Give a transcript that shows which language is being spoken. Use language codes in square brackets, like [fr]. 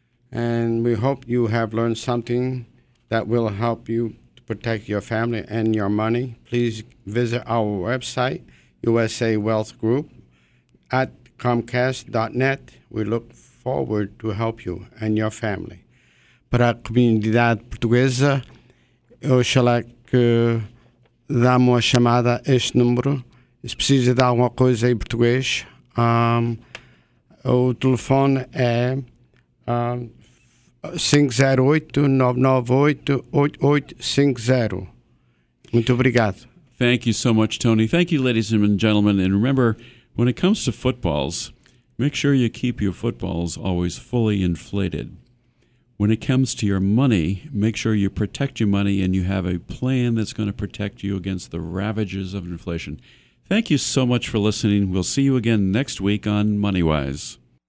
[en] And we hope you have learned something that will help you to protect your family and your money. Please visit our website, USA Wealth Group, at comcast.net. We look forward to help you and your family. [pt] Para a comunidade portuguesa, eu achei que dá uma chamada a este número. Se precisa de alguma coisa em português, o telefone é 508-998-8850. Muito obrigado. [en] Thank you so much, Tony. Thank you, ladies and gentlemen. And remember, when it comes to footballs, make sure you keep your footballs always fully inflated. When it comes to your money, make sure you protect your money and you have a plan that's going to protect you against the ravages of inflation. Thank you so much for listening. We'll see you again next week on MoneyWise.